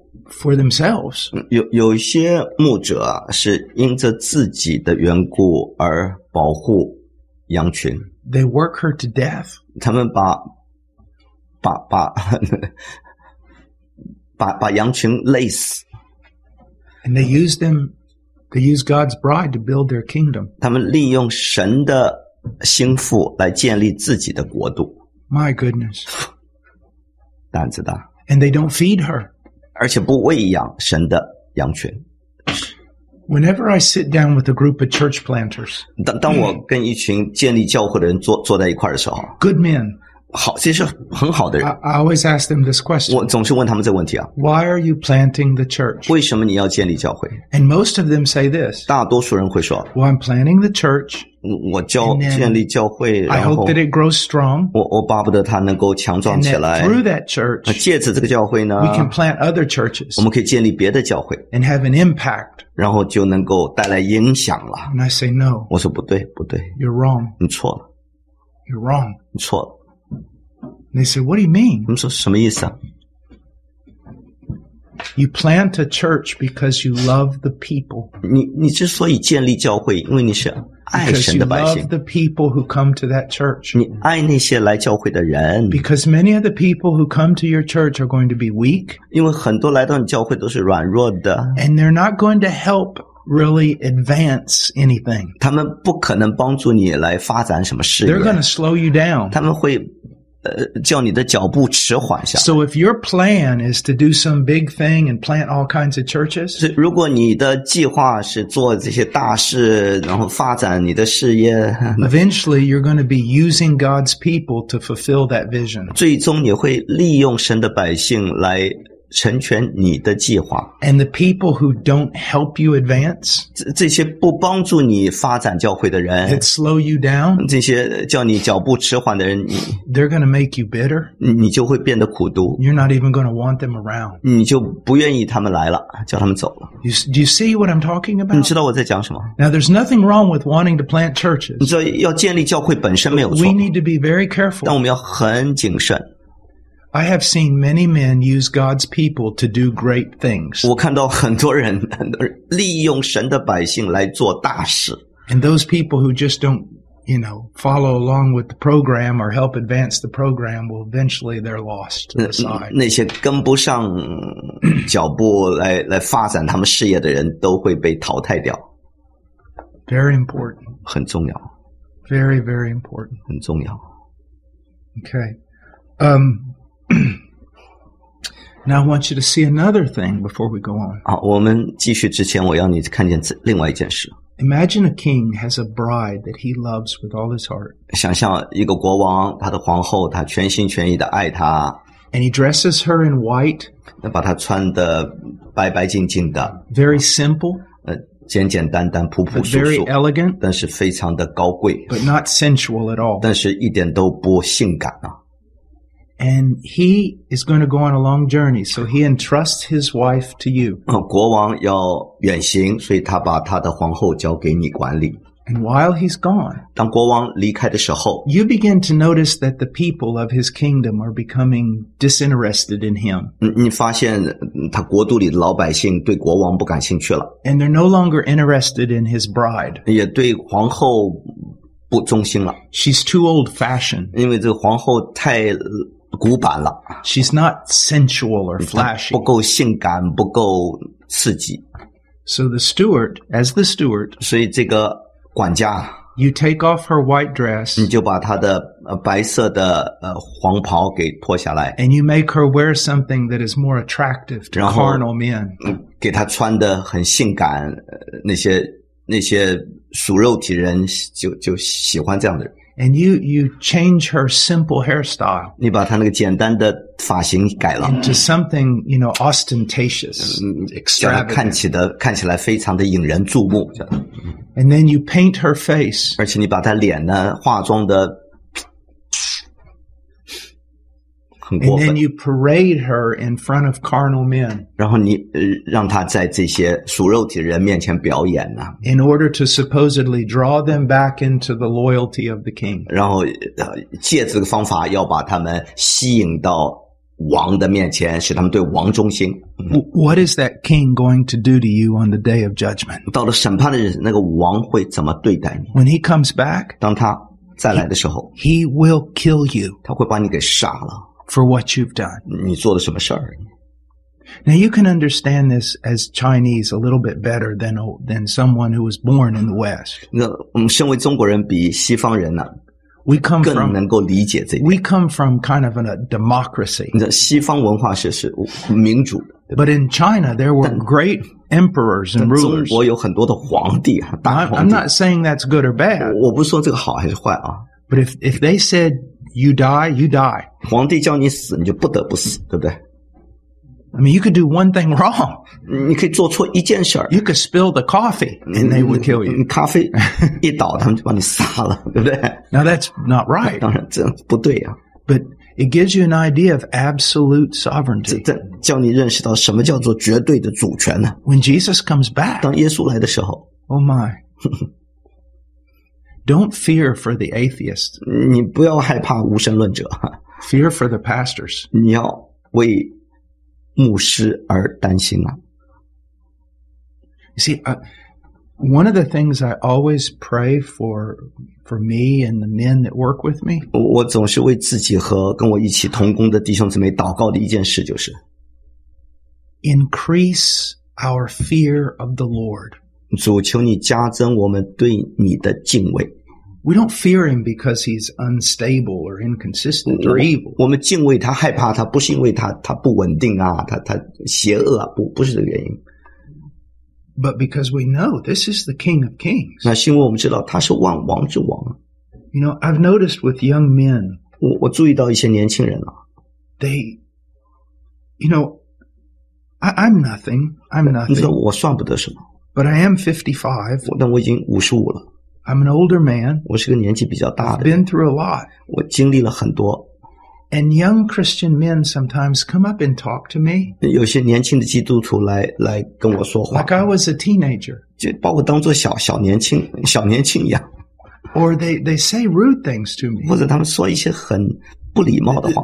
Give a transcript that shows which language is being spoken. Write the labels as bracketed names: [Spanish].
[English] For themselves, [Chinese] 有一些牧者啊，是因着自己的缘故而保护羊群。 [English] They work her to death. [Chinese] 他们把羊群累死。 [English] And they use them. They use God's bride to build their kingdom. [Chinese] 他们利用神的心腹来建立自己的国度。 [English] My goodness, [Chinese] 胆子大。 [English] And they don't feed her. [Chinese] 而且不喂养神的羊群。 [English] Whenever I sit down with a group of church planters, [Chinese] 当我跟一群建立教会的人坐在一块的时候 [English] ，good men, [Chinese] 好，这是很好的人。 [English] I always ask them this question. [Chinese] 我总是问他们这个问题啊。 [English] Why are you planting the church? [Chinese] 为什么你要建立教会？ [English] And most of them say this. [Chinese] 大多数人会说。 [English] Well, I'm planting the church. [Chinese] 我教建立教会，然后。 [English] I hope that it grows strong. [Chinese] 我巴不得它能够强壮起来。 [English] And through that church, [Chinese] 借着这个教会呢， [English] we can plant other churches. [Chinese] 我们可以建立别的教会。 [English] And have an impact. [Chinese] 然后就能够带来影响了。 [English] And I say no. [Chinese] 我说不对，不对。 [English] You're wrong. [Chinese] 你错了。 [English] You're wrong. [Chinese] 你错了。 [English] And they said, what do you mean? [Chinese] 他们说什么意思啊? [English] You plant a church because you love the people. [Chinese] 你之所以建立教会，因为你是爱神的百姓。 [English] Because you love the people who come to that church. [Chinese] 你爱那些来教会的人。 [English] Because many of the people who come to your church are going to be weak. [Chinese] 因为很多来到你教会都是软弱的。 [English] And they're not going to help really advance anything. [Chinese] 他们不可能帮助你来发展什么事业。 [English] They're going to slow you down. [Chinese] 他们会叫你的脚步迟缓下。 [English] So if your plan is to do some big thing and plant all kinds of churches, [Chinese] 如果你的计划是做这些大事，然后发展你的事业， [English] eventually you're going to be using God's people to fulfill that vision. [Chinese] 最终你会利用神的百姓来成全你的计划。 [English] And the people who don't help you advance, [Chinese] 这些不帮助你发展教会的人， [English] that slow you down, [Chinese] 这些叫你脚步迟缓的人， [English] they're going to make you bitter, [Chinese] 你就会变得苦毒， [English] you're not even going to want them around, [Chinese] 你就不愿意他们来了，叫他们走了。 [English] Do you see what I'm talking about? [Chinese] 你知道我在讲什么？ [English] Now there's nothing wrong with wanting to plant churches, [Chinese] 你知道要建立教会本身没有错， [English] we need to be very careful, [Chinese] 但我们要很谨慎。 [English] I have seen many men use God's people to do great things. [Chinese] 我看到很多人利用神的百姓来做大事。 [English] And those people who just don't, you know, follow along with the program or help advance the program will eventually they're lost to the side. [Chinese] 那些跟不上脚步来发展他们事业的人都会被淘汰掉。 [English] Very important. [Chinese] 很重要。 [English] Very, very important. [Chinese] 很重要。 [English] Okay. Now I want you to see another thing before we go on. [Chinese] 好，我们继续之前，我要你看见另外一件事。 [English] Imagine a king has a bride that he loves with all his heart. [Chinese] 想象一个国王，他的皇后，他全心全意的爱她。 [English] And he dresses her in white. [Chinese] 把她穿得白白净净的。 [English] Very simple. [Chinese] 简简单单，朴朴素素。 [English] Very elegant. [Chinese] 但是非常的高贵。 [English] But not sensual at all. [Chinese] 但是一点都不性感啊。 [English] And he is going to go on a long journey, so he entrusts his wife to you. [Chinese] 国王要远行，所以他把他的皇后交给你管理。 [English] And while he's gone, [Chinese] 当国王离开的时候， [English] you begin to notice that the people of his kingdom are becoming disinterested in him. [Chinese] 你发现他国度里的老百姓对国王不感兴趣了。 [English] And they're no longer interested in his bride. [Chinese] 也对皇后不忠心了。 [English] She's too old-fashioned. [Chinese] 因为这个皇后太古板了。 [English] She's not sensual or flashy. [Chinese] 不够性感，不够刺激。 [English] So the steward, as the steward, [Chinese] 所以这个管家， [English] you take off her white dress, [Chinese] 你就把她的白色的黄袍给脱下来。 [English] And you make her wear something that is more attractive to carnal men. [Chinese] 给她穿得很性感，那些属肉体人就喜欢这样的人。 [English] And you change her simple hairstyle. [Chinese] 你把她那个简单的发型改了。 [English] Into something, you know, ostentatious, extravagant. [Chinese] 叫她看起来非常的引人注目。 [English] And then you paint her face. [Chinese] 而且你把她脸呢化妆的很过分。 [English] And then you parade her in front of carnal men. [Chinese] 然后你让她在这些属肉体人面前表演呢。 [English] In order to supposedly draw them back into the loyalty of the king. [Chinese] 然后借这个方法要把他们吸引到王的面前，使他们对王忠心。 [English] What is that king going to do to you on the day of judgment? [Chinese] 到了审判的日子，那个王会怎么对待你？ [English] When he comes back, [Chinese] 当他再来的时候， [English] he will kill you. [Chinese] 他会把你给杀了。 [English] For what you've done. [Chinese] 你做了什么事儿？ [English] Now you can understand this as Chinese a little bit better than someone who was born in the West. [Chinese] 那我们身为中国人比西方人呢， [English] we come from, [Chinese] 更能够理解这一点。 [English] We come from kind of a democracy. [Chinese] 你知道西方文化是民主的。 [English] But in China, there were great emperors and rulers. [Chinese] 中国有很多的皇帝，大皇帝。 [English] I'm not saying that's good or bad. [Chinese] 我不是说这个好还是坏啊。 [English] But if they said, you die, you die. [Chinese] 皇帝叫你死，你就不得不死，对不对？ [English] I mean, you could do one thing wrong. [Chinese] 你可以做错一件事儿。 [English] You could spill the coffee and they would kill you. [Chinese] 咖啡一倒，他们就把你杀了，对不对？ [English] Now that's not right. [Chinese] 当然这不对啊。 [English] But it gives you an idea of absolute sovereignty. [Chinese] 这叫你认识到什么叫做绝对的主权呢？ [English] When Jesus comes back. [Chinese] 当耶稣来的时候。 [English] Oh my. Don't fear for the atheist. [Chinese] 你不要害怕无神论者。 [English] Fear for the pastors. [Chinese] 你要为牧师而担心啊。 [English] You see, one of the things I always pray for me and the men that work with me, [Chinese] 我总是为自己和跟我一起同工的弟兄姊妹祷告的一件事就是 [English] increase our fear of the Lord. [Chinese] 主求你加增我们对你的敬畏。 [English] We don't fear him because he's unstable or inconsistent or evil. [Chinese] 我们敬畏他害怕他不是因为他不稳定啊他邪恶啊不是这个原因。 [English] But because we know this is the King of Kings. [Chinese] 那是因为我们知道他是万王之王。 [English] You know, I've noticed with young men. [Chinese] 我注意到一些年轻人啊。 [English] They, you know, I'm nothing. I'm nothing. [Chinese] 你知道我算不得什么。 [English] But I am 55. [Chinese] 但我已经55了。 [English] I'm an older man. [Chinese] 我是个年纪比较大的。 [English] I've been through a lot. [Chinese] 我经历了很多。 [English] And young Christian men sometimes come up and talk to me. [Chinese] 有些年轻的基督徒来跟我说话。 [English] Like I was a teenager. [Chinese] 就把我当作小年轻一样。 [English] Or they say rude things to me. [Chinese] 或者他们说一些很不礼貌的话。